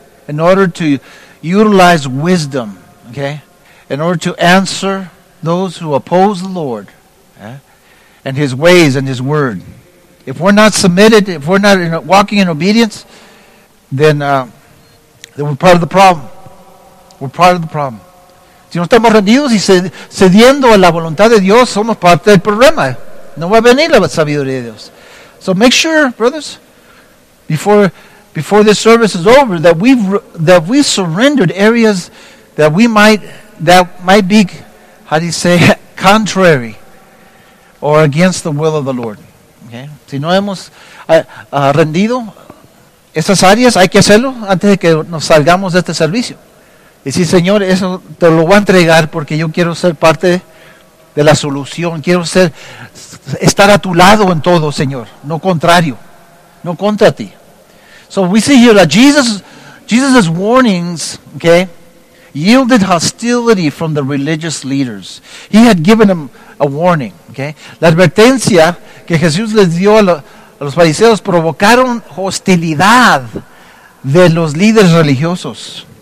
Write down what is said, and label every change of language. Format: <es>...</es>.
<en>in order to utilize wisdom, okay, in order to answer those who oppose the Lord, yeah, and His ways and His word. If we're not submitted, if we're not walking in obedience, then we're part of the problem. We're part of the problem.</en> <es>Si no estamos rendidos y cediendo a la voluntad de Dios, somos parte del problema. No va a venir la sabiduría de Dios.</es> <en>So make sure, brothers, before this service is over, that we've surrendered areas that might be, how do you say, contrary or against the will of the Lord.</en> <es>Okay? Si no hemos rendido esas áreas, hay que hacerlo antes de que nos salgamos de este servicio. Y si, Señor, eso te lo voy a entregar porque yo quiero ser parte de la solución. Quiero estar a tu lado en todo, Señor. No contrario. No contra ti.</es> <en>So we see here that Jesus' warnings, okay, yielded hostility from the religious leaders. He had given them a warning, okay.</en> <es>La advertencia que Jesús les dio a los fariseos provocaron hostilidad de los líderes religiosos.</es>